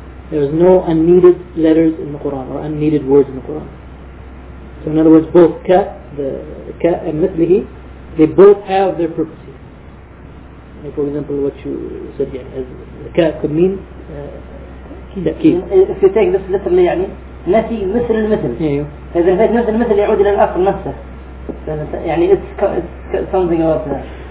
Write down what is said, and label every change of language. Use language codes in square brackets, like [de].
[en] There is no unneeded letters in the Quran or unneeded words in the Quran. So in other words, both ka, the ka and mithlihi, they both have their purposes. Like for example, what you said, yeah, as the ka could mean key. If you take this literally, [ar] يعني نفي مثل المثل. [en] Yeah. [ar] فإذا نفيت مثل المثل يعود إلى الأصل نفسه. يعني [en] it's something about that.